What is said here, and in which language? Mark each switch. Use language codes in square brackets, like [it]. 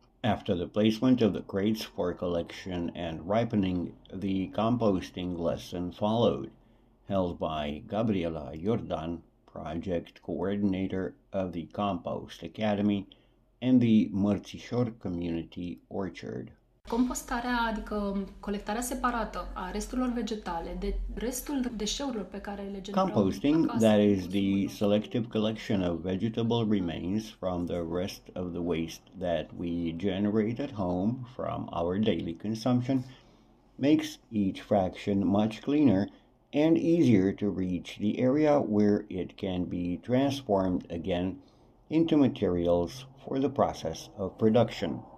[en] After the placement of the crates for collection and ripening, the composting lesson followed, held by Gabriela Jordan, project coordinator of the Compost Academy and the Mărțișor Community Orchard. [ro] Compostarea, adică colectarea separată a resturilor vegetale de restul deșeurilor pe care le generăm. [en] Composting, that is the selective collection of vegetable remains from the rest of the waste that we generate at home from our daily consumption, makes each fraction much cleaner and easier to reach the area where it can be transformed again into materials for the process of production.